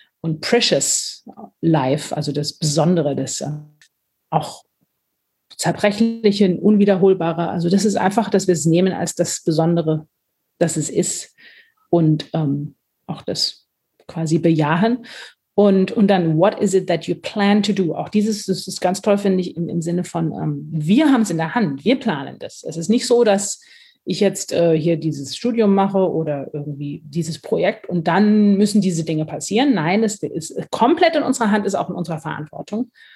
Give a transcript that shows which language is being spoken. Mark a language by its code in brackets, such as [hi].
[de] Und Precious Life, also das Besondere, das auch Zerbrechliche, Unwiederholbare, also das ist einfach, dass wir es nehmen als das Besondere, dass es ist und auch das quasi bejahen. Und dann, [en] what is it that you plan to do? [de] Auch dieses, das ist ganz toll, finde ich, im Sinne von, wir haben es in der Hand, wir planen das. Es ist nicht so, dass ich jetzt hier dieses Studium mache oder irgendwie dieses Projekt und dann müssen diese Dinge passieren. Nein, es ist komplett in unserer Hand, ist auch in unserer Verantwortung.